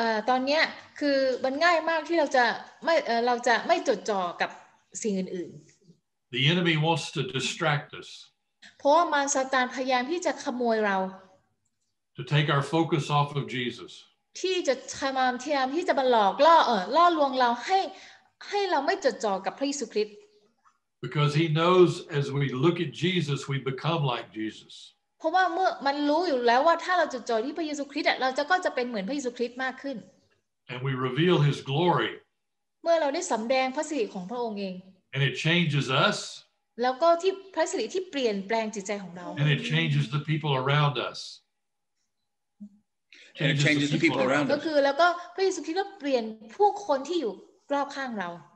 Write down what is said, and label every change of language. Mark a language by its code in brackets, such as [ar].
[th] ตอนนี้คือมันง่ายมากที่เราจะไม่จดจ่อกับสิ่งอื่น [en] ๆ The enemy wants to distract us. [th] เพราะว่ามารซาตานพยายามที่จะขโมยเรา [en] To take our focus off of Jesus. [th] ที่จะทำามเทียมที่จะมาหลอกล่อลวงเราให้เราไม่จดจ่อกับพระเยซูคริสต์ [en] Because he knows as we look at Jesus we become like Jesus [th] เพราะว่าเมื่อมันรู้อยู่แล้วว่าถ้าเราจดจ่อที่พระเยซูคริสต์เราก็จะเป็นเหมือนพระเยซูคริสต์มากขึ้น [en] And we reveal his glory [th] เมื่อเราได้สำแดงพระสิริของพระองค์เอง [en] And it changes us [th] แล้วก็ที่พระสิริที่เปลี่ยนแปลงจิตใจของเรา [en] And it changes the people around us And it changes the people around us. [th] ก็คือแล้วก็พระเยซูคริสต์ก็เปลี่ยนผู้คนที่อยู่รอบข้างเรา